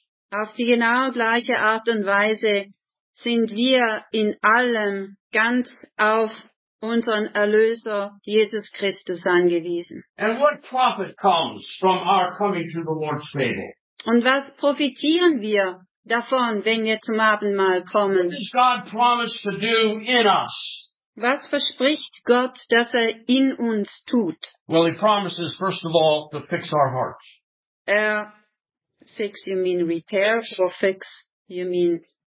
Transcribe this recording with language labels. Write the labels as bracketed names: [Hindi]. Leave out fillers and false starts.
[German] Auf die genau gleiche Art und Weise sind wir in allem ganz auf unseren Erlöser Jesus Christus angewiesen. [English] And what profit comes from our coming to the Lord's table? [German] Und was profitieren wir davon, wenn wir zum Abendmahl kommen? [English] What does God promise to do in us? [German] Was verspricht Gott, dass er in uns tut? [English] Well, he promises, first of all, to fix our hearts. Fix, you mean repair, or fix, you mean...